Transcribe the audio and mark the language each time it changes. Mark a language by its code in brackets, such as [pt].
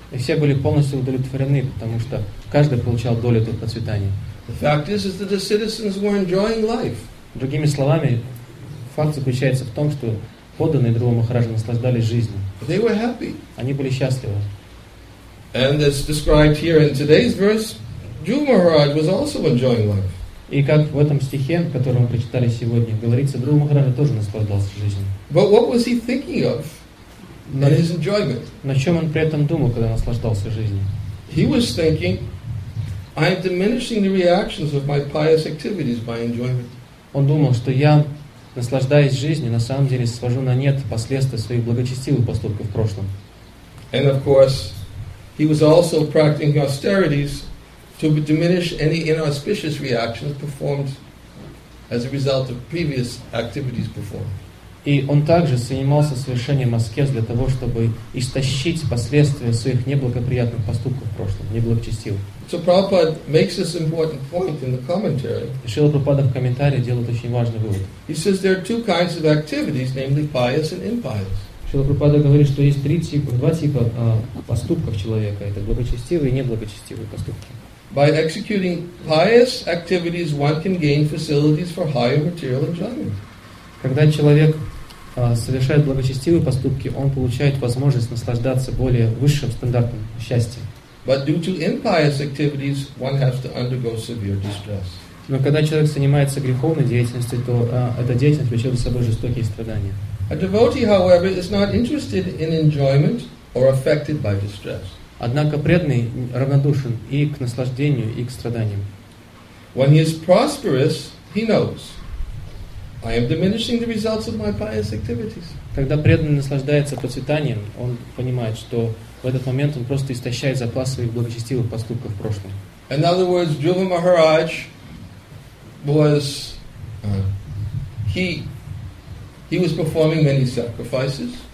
[ru] И все были полностью удовлетворены, потому что каждый получал долю этого процветания. [en] The fact is that the citizens were enjoying life. [ru] Другими словами, факт заключается в том, что подданные Дхрува Махараджа наслаждались жизнью. [en] They were happy. [ru] Они были счастливы. [en] And as described here in today's verse, Dhruva Maharaj was also enjoying life. [ru] И как в этом стихе, который мы прочитали сегодня, говорится, Дхрува Махараджа тоже наслаждался жизнью. [en] But what was he thinking of in his enjoyment? [ru] На чем он при этом думал, когда наслаждался жизнью? [en] He was thinking, I am diminishing the reactions of my pious activities by enjoyment. [ru] Он думал, что я наслаждаясь жизнью, на самом деле свожу на нет последствия своих благочестивых поступков в прошлом. [en] And of course, he was also practicing austerities to diminish any inauspicious reactions performed as a result of previous activities performed. [ru] И он также занимался совершением аскез для того, чтобы истощить последствия своих неблагоприятных поступков в прошлом, неблагочестивых. [en] So Prabhupada makes this important point in the commentary. [ru] Шрила Прабхупада в комментарии делает очень важный вывод. [en] He says there are two kinds of activities, namely pious and impious. [ru] Шрила Прабхупада говорит, что есть два типа поступков человека. Это благочестивые и неблагочестивые поступки. [en] By executing pious activities, one can gain facilities for higher material enjoyment. [ru] Когда человек совершает благочестивые поступки, он получает возможность наслаждаться более высшим стандартом счастья. [en] But due to impious activities, one has to undergo severe distress. [ru] Но когда человек занимается греховной деятельностью, то эта деятельность влечет за собой жестокие страдания. [en] A devotee, however, is not interested in enjoyment or affected by distress. [ru] Однако преданный равнодушен и к наслаждению, и к страданиям. [en] When he is prosperous, he knows, I am diminishing the results of my pious activities. [ru] Когда преданный наслаждается процветанием, он понимает, что в этот момент он просто истощает запас своих благочестивых поступков в прошлом. [en] In other words, Dhruva Maharaj was he was performing many sacrifices.